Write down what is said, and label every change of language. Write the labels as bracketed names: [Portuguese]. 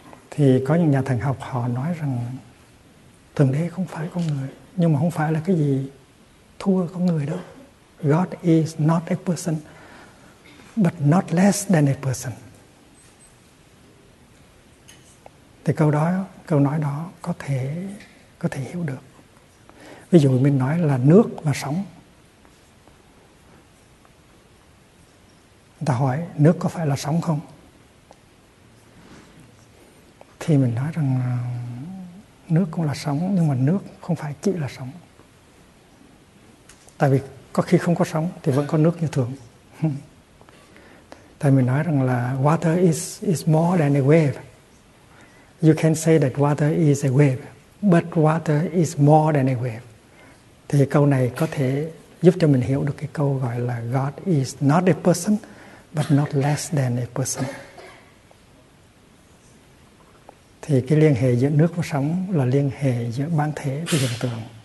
[Vietnamese] Thì có những nhà thần học họ nói rằng Thượng Đế không phải con người, nhưng mà không phải là cái gì thua con người đâu. [English] God is not a person, but not less than a person. [Vietnamese] Thì câu nói đó có thể hiểu được. Ví dụ mình nói là nước và sóng. Người ta hỏi nước có phải là sóng không? Thì mình nói rằng nước cũng là sóng, nhưng mà nước không phải chỉ là sóng. Tại vì có khi không có sóng thì vẫn có nước như thường. Tại mình nói rằng là [English] water is more than a wave. You can say that water is a wave, but water is more than a wave. [Vietnamese] Thì câu này có thể giúp cho mình hiểu được cái câu gọi là [English] God is not a person, but not less than a person. [Vietnamese] thì cái liên hệ giữa nước và sóng là liên hệ giữa bản thể và hiện tượng.